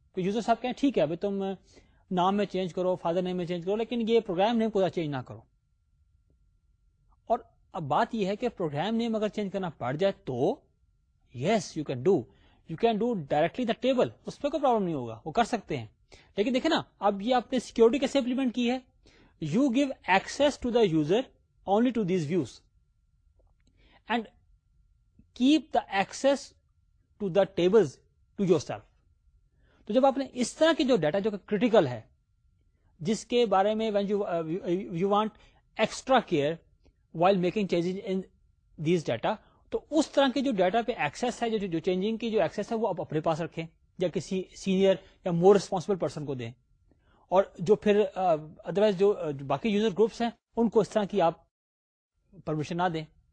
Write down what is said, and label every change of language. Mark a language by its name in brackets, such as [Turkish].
[Urdu] کہ یوزر صاحب کہیں ٹھیک ہے بھائی تم نام میں چینج کرو فادر نیم میں چینج کرو, لیکن یہ پروگرام نیم کو چینج نہ کرو. اور اب بات یہ ہے کہ پروگرام نیم اگر چینج کرنا پڑ جائے تو [English] yes you can do, you can do directly the table, [Urdu] اس پہ کوئی پرابلم نہیں ہوگا, وہ کر سکتے ہیں. لیکن دیکھیں نا اب یہ آپ نے سیکیورٹی کیسے امپلیمنٹ کی ہے. [English] You give access to the user only to these views and keep the access to the tables to yourself. [Urdu] تو جب آپ نے اس طرح کے جو ڈیٹا جو کریٹیکل ہے جس کے بارے میں [English] when you want extra care while making changes in these data, [Urdu] تو اس طرح کے جو ڈیٹا پہ ایکسیس ہے جو چینجنگ کی جو ایکسیس ہے وہ آپ اپنے پاس رکھیں یا کسی سینئر یا [English] more responsible person [Urdu] کو دیں, اور جو پھر ادروائز جو باقی یوزر گروپس ہیں ان کو اس طرح کی آپ پرمیشن نہ دیں.